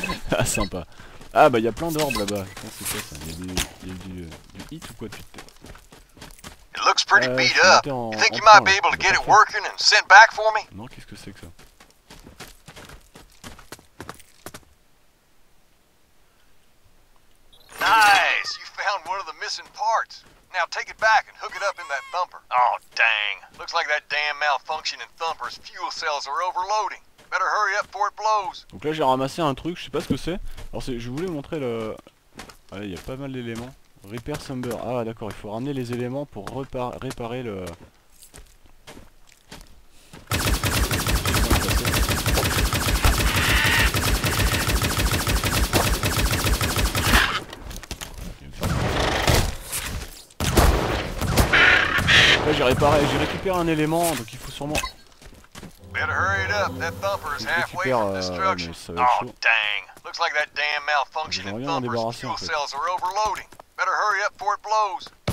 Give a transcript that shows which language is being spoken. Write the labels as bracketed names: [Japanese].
[French] Ah sympa. Ah bah y'a plein d'orbes là-bas. Je pense que c'est quoi ça, y'a du hit ou quoi tu te... [English] It looks pretty beat up. You think you might be able to get it working and sent back for me? [French] Non, qu'est-ce que c'est que ça? [English] Nice, you found one of the missing parts. Now take it back and hook it up in that bumper. Oh dang, looks like that damn malfunctioning thumper's fuel cells are overloading. Better hurry up before it blows. [French] Donc là j'ai ramassé un truc, je sais pas ce que c'est. Alors c'est, je voulais vous montrer le... Ah il y a pas mal d'éléments. Repair Thumper. Ah d'accord, il faut ramener les éléments pour réparer le... Là j'ai réparé, j'ai récupéré un élément, donc il faut sûrement... [English] Better hurry up, that thumper's halfway from destruction. Oh dang, looks like that damn malfunctioning thumper's fuel cells are overloading. Better hurry up before it blows.